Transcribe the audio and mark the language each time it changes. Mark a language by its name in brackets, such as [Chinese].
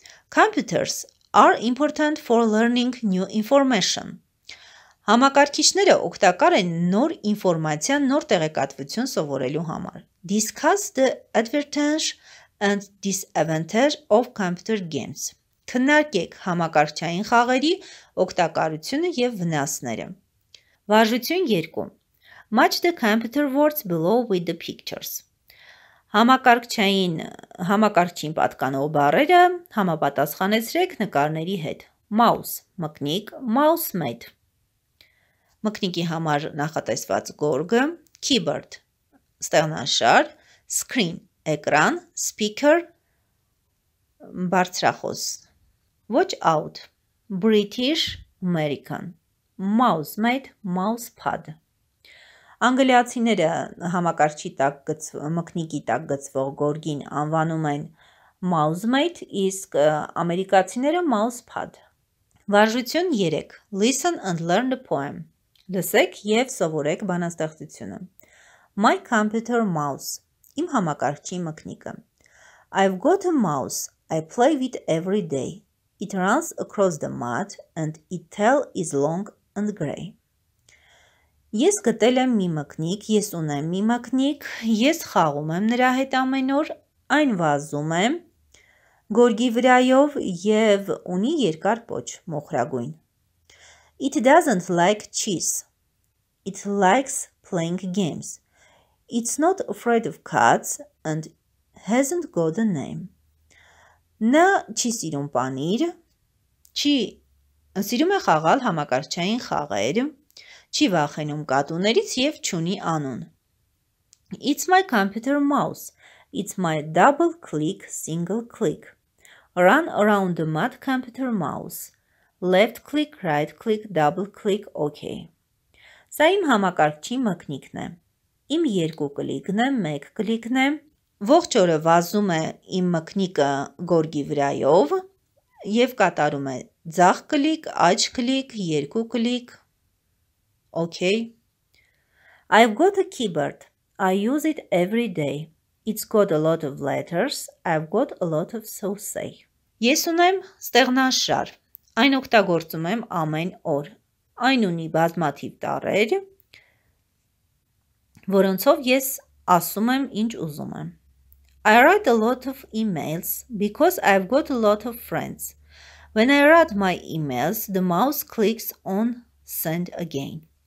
[English] Computers are important for learning new information. [Armenian] Համակարգիչները օգտակար են նոր ինֆորմացիա, նոր տեղեկատվություն սովորելու համար. [English] Discuss the advantage and disadvantage of computer games. [Armenian] Քննարկեք համակարգչային խաղերի օգտակարությունը եւ վնասները. Վարժություն 2. [English] Match the computer words below with the pictures. [Armenian] Համակարգչին պատկանող բառերը համապատասխանեցրեք նկարների հետ. Mouse, մկնիկ, mousepad. Մկնիկի համար նախատեսված գորգը, keyboard, ստեղնաշար, screen, էկրան, speaker, բարձրախոս. [English] Watch out, British, American. Mousepad, mousepad. [Armenian] Անգլիացիները համակարգչի տակ մկնիկի տակ գծվող գորգին անվանում են mousepad, իսկ ամերիկացիները mousepad. Վարժություն 3. [English] Listen and learn the poem. [Armenian] Լսեք եւ սովորեք բանաստեղծությունը. [English] My computer mouse. [Armenian] Իմ համակարգչի մկնիկը. [English] I've got a mouse. I play with every day. It runs across the mat and its tail is long and grey. [Armenian] Ես գտել եմ մի մկնիկ, ես ունեմ մի մկնիկ, ես խաղում եմ նրա հետ ամեն օր, այն վազում է գորգի վրայով եւ ունի երկար պոչ, մոխրագույն։ [English] It doesn't like cheese. It likes playing games. It's not afraid of cats and hasn't got a name. [Armenian] Նա չի սիրում պանիր, չի սիրում է խաղալ համակարգչային խաղեր։ չի վախենում կատուներից և չունի անուն։ [English] It's my computer mouse. It's my double click, single click. Run around the mat computer mouse. Left click, right click, double click, OK. [Armenian] Սա իմ համակարգչի մկնիկն է։ Իմ երկու կլիկն է, մեկ կլիկն է։ Ողջ օրը վազում է իմ մկնիկը գորգի վրայով և կատարում է ձախ կլիկ, աջ կլիկ, երկու կլիկ, OK. [English] I've got a keyboard. I use it every day. It's got a lot of letters. I've got a lot of sauce. [Armenian] Ես ունեմ ստեղնաշար. Այն օգտագործում եմ ամեն օր. Այն ունի բազմաթիվ տառեր, որոնցով ես ասում եմ, ինչ ուզում եմ. [English] I write a lot of emails because I've got a lot of friends. When I write my emails, the mouse clicks on send again.